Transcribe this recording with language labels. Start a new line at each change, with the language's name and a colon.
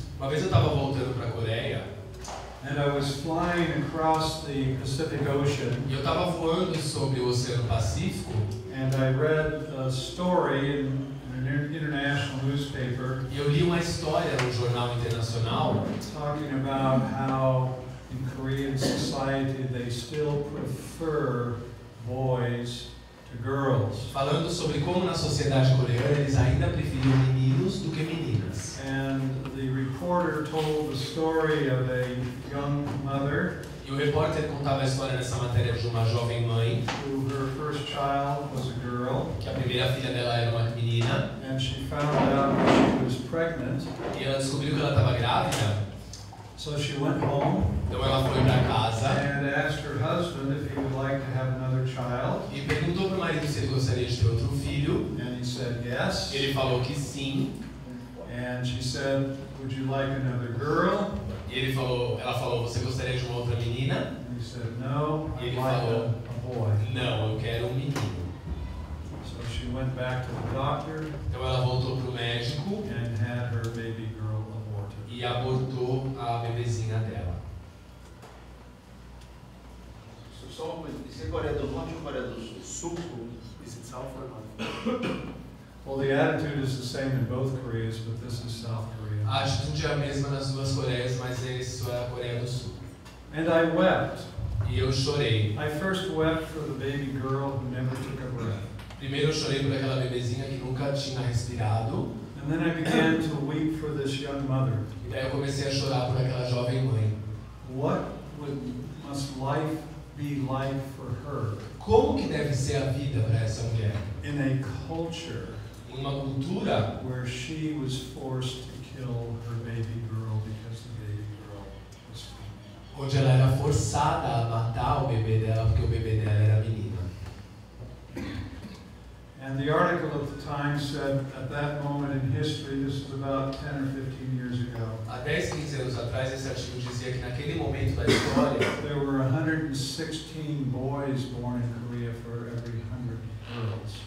Portuguese: Uma vez eu estava voltando para a Coreia.
English: And I was flying across the Pacific Ocean.
Portuguese: E eu estava voando sobre o Oceano Pacífico.
English: And I read a story in an international newspaper.
Portuguese: E eu li uma história no jornal internacional.
English: Talking about how in Korean society they still prefer boys to girls.
Portuguese: Falando sobre como na sociedade coreana eles ainda preferiam meninos do que meninas.
English: And the reporter told the story of a young mother.
Portuguese: E o repórter contava a história nessa matéria de uma jovem mãe.
English: Her first child was a girl,
Portuguese: que a primeira filha dela era uma menina.
English: And she found out she was pregnant.
Portuguese: E ela descobriu que ela estava grávida.
English: So she went home,
Portuguese: então ela foi para casa.
English: And asked her husband if he would like to have another child.
Portuguese: E perguntou para o marido se ele gostaria de ter outro filho.
English: And he said yes.
Portuguese: E ele falou que sim.
English: And she said, "Would you like another girl?"
Portuguese: E ele falou, ela falou, você gostaria de uma outra menina?
English: He said, no,
Portuguese: e ele falou,
English: a boy.
Portuguese: Não, eu quero um menino.
English: So she went back to the doctor,
Portuguese: então ela voltou para o médico
English: and had her baby girl aborted.
Portuguese: E abortou a bebezinha dela. Só uma coisa, isso é Coreia do Norte ou Coreia do Sul? Sul?
English: Is it South or North? Well, the attitude is the same in both Koreas, but this is South Korea.
Portuguese: A atitude é a mesma nas duas Coreias, mas isso é a Coreia do Sul.
English: And I wept.
Portuguese: E eu chorei.
English: I first wept for the baby girl who never took a breath.
Portuguese: Primeiro eu chorei por aquela bebezinha que nunca tinha respirado.
English: And then I began to weep for this young mother.
Portuguese: E daí eu comecei a chorar por aquela jovem mãe.
English: What would must life be like for her?
Portuguese: Como que deve ser a vida para essa mulher?
English: In a culture,
Portuguese: uma cultura
English: where she was forced to kill her baby girl because the baby girl was female.
Portuguese: Onde ela era forçada a matar o bebê dela porque o bebê dela era menina.
English: And the article of the time said at that moment in history, this was about 10 or 15 years ago.
Portuguese: Há 10, 15 anos atrás, esse artigo dizia que naquele momento da história,
English: there were 116 boys born in Korea for every 100 girls.